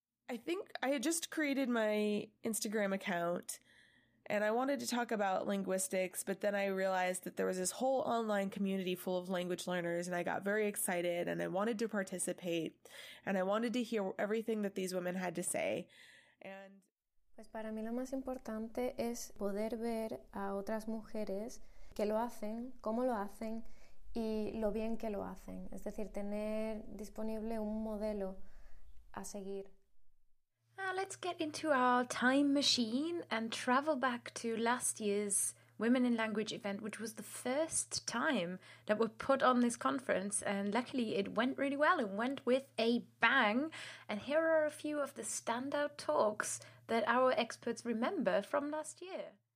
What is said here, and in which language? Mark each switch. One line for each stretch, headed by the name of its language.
English: I think I had just created my Instagram account and I wanted to talk about linguistics, but then I realized that there was this whole online community full of language learners and I got very excited and I wanted to participate and I wanted to hear everything that these women had to say. And
Spanish: pues para mí lo más importante es poder ver a otras mujeres que lo hacen, cómo lo hacen y lo bien que lo hacen, es decir, tener disponible un modelo a seguir.
English: Now let's get into our time machine and travel back to last year's Women in Language event, which was the first time that we put on this conference, and luckily it went really well and went with a bang. And here are a few of the standout talks that our experts remember from last year.